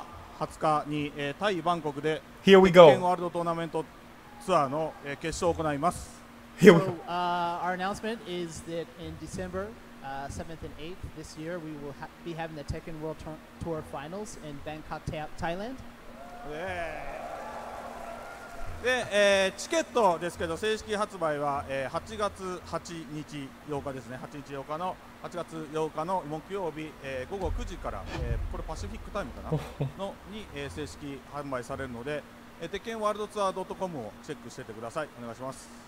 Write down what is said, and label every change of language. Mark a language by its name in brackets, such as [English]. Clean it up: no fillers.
[Japanese] 12月7日、20日に、タイ・バンコクで、 [English] Here we go! [Japanese] World Tournament Tour の決勝を行います。 [English] Here we go! Our announcement is that in December 7th and 8th this year, we will be having the Tekken World Tour Finals in Bangkok, Thailand. Yeah! [Japanese] で、チケットですけど正式発売は、8月8日8日ですね8日8日の8月8日の木曜日、午後9時から、これパシフィックタイムかなのに、正式販売されるので、鉄拳ワールドツアー .com をチェックしててくださいお願いします